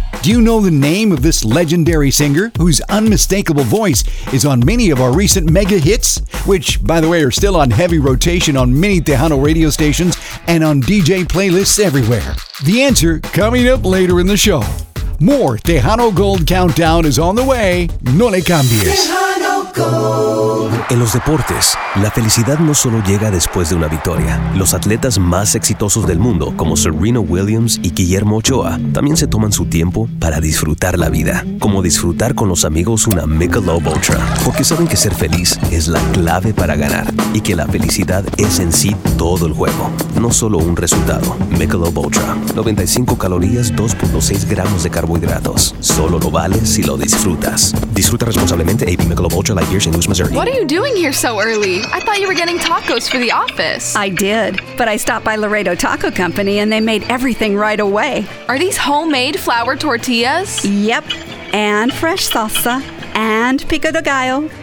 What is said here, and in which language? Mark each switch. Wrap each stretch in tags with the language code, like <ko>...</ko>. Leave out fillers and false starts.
<en>Do you know the name of this legendary singer whose unmistakable voice is on many of our recent mega hits, which, by the way, are still on heavy rotation on many Tejano radio stations and on DJ playlists everywhere? The answer coming up later in the show. More Tejano Gold Countdown is on the way.</en> <es>No le cambies. Tejano Gold. En los deportes, la felicidad no solo llega después de una victoria. Los atletas más exitosos del mundo, como Serena Williams y Guillermo Ochoa, también se toman su tiempo para disfrutar la vida. Como disfrutar con los amigos una Michelob Ultra. Porque saben que ser feliz es la clave para ganar. Y que la felicidad es en sí todo el juego. No solo un resultado. Michelob Ultra. 95 calorías, 2.6 gramos de carbohidratos. Solo lo vale si lo disfrutas. Disfruta responsablemente AB Michelob Ultra Light Beer, St. Louis, Missouri.</es> <en>What are you doing here so early? I thought you were getting tacos for the office. I did, but I stopped by Laredo Taco Company and they made everything right away. Are these homemade flour tortillas? Yep, and fresh salsa, and pico de gallo.</en>